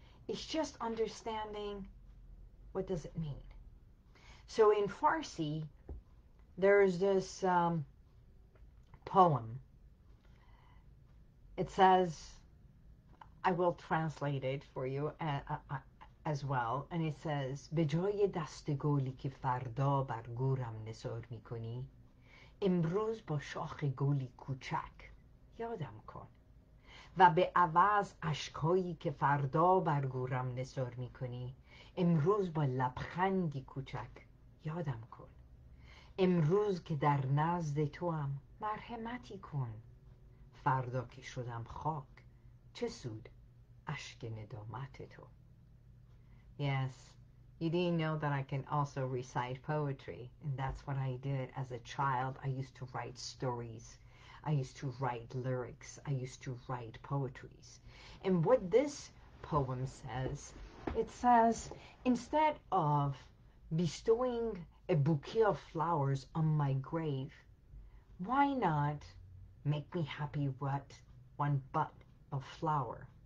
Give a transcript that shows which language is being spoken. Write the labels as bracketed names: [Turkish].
[English] It's just understanding, what does it mean? So in Farsi, there's this poem. It says, I will translate it for you as well. And it says, [Persian] به جای دست گلی که فردا بر گورم نثار میکنی, امروز با شاخ گلی کوچک یادم کن. و به عوض اشکایی که فردا بر گورم نثار میکنی, امروز با لبخندی کوچک یادم کن. امروز که در نزد تو هم مرحمتی کن, فردا که شدم خاک چه سود اشک ندامت تو. [English] Yes, you didn't know that I can also recite poetry, and that's what I did as a child. I used to write stories, I used to write lyrics, I used to write poetries. And what this poem says, it says, instead of bestowing a bouquet of flowers on my grave, why not make me happy with one bud of flower?